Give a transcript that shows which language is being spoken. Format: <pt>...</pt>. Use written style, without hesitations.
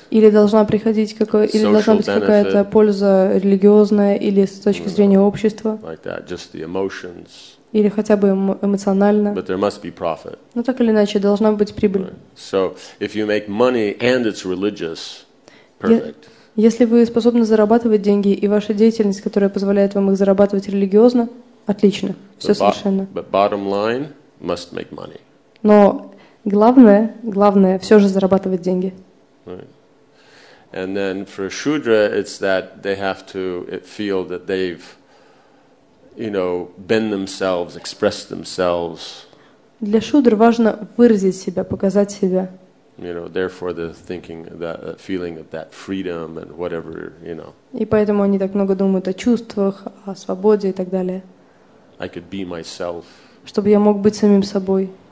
<ru>Или должна приходить или должна быть какая-то польза религиозная или с точки зрения общества.</ru> <en>Like that, just the emotions.</en> <ru>Или хотя бы эмоционально.</ru> <en>But there must be profit.</en> <ru>Но так или иначе должна быть прибыль.</ru> <en>Right. So if you make money and it's religious, perfect.</en> <ru>Если вы способны зарабатывать деньги и ваша деятельность, которая позволяет вам их зарабатывать религиозно, отлично, все совершенно.</ru> <en>But bottom line must make money.</en> <ru>Но главное все же зарабатывать деньги.</ru> <en>And then for shudra, it's that they have to feel that they've, you know, bend themselves, expressed themselves.</en> <ru>Для шудр важно выразить себя, показать себя.</ru> <en>You know, therefore the thinking, that feeling of that freedom and whatever, you know.</en> <ru>И поэтому они так много думают о чувствах, о свободе и так далее.</ru> <en>I could be myself.</en> <ru>Чтобы я мог быть самим собой.</ru>